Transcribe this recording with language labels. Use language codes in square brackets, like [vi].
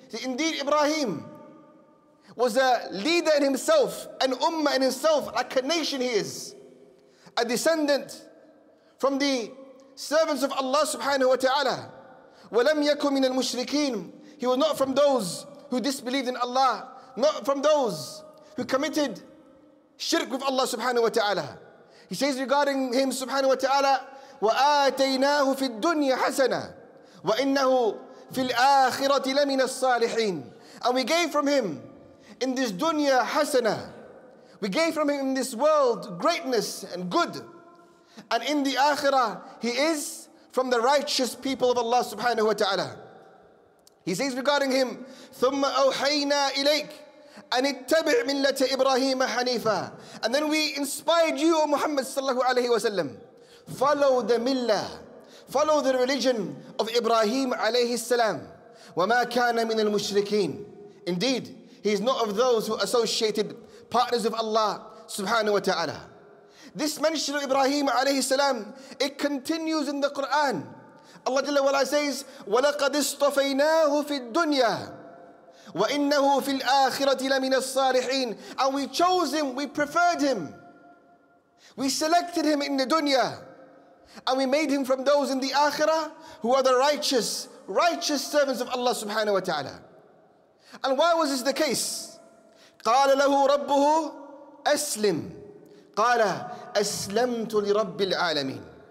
[en] Indeed, Ibrahim was a leader in himself, an ummah in himself, like a nation he is, a descendant from the servants of Allah subhanahu wa ta'ala. [ar] وَلَمْ يَكُمْ مِنَ الْمُشْرِكِينَ. [en] He was not from those who disbelieved in Allah, not from those who committed shirk with Allah subhanahu wa ta'ala. He says regarding him subhanahu wa ta'ala, [ar] وَآتَيْنَاهُ فِي الدُّنْيَا حَسَنًا وَإِنَّهُ فِي الْآخِرَةِ لَمِنَ الصَّالِحِينَ. [en] And we gave from him in this dunya hasana. We gave from him in this world greatness and good. And in the akhirah, he is from the righteous people of Allah subhanahu wa ta'ala. He says regarding him, [ar] ثُمَّ أَوْحَيْنَا إِلَيْكَ أَنِ اتَّبِعْ مِلَّةَ إِبْرَاهِيمَ حَنِيفًا. [en] And then we inspired you, O Muhammad sallallahu alayhi wa sallam. Follow the millah, follow the religion of Ibrahim alayhi salam. [ar] وَمَا كَانَ مِنَ الْمُشْرِكِينَ. [en] Indeed, he is not of those who associated partners of Allah subhanahu wa ta'ala. This mention of Ibrahim alayhi salam, it continues in the Quran. Allah jalla wa ala says, [ar] وَلَقَدِ اصْطَفَيْنَاهُ فِي الدُّنْيَا وَإِنَّهُ فِي الْآخِرَةِ لَمِنَ الصَّالِحِينَ. [en] And we chose him, we preferred him, we selected him in the dunya, and we made him from those in the akhirah who are the righteous, righteous servants of Allah subhanahu wa ta'ala. And why was this the case? [ar] قَالَ لَهُ رَبُّهُ أَسْلِمْ قَالَ أَسْلَمْتُ لِرَبِّ الْعَالَمِينَ.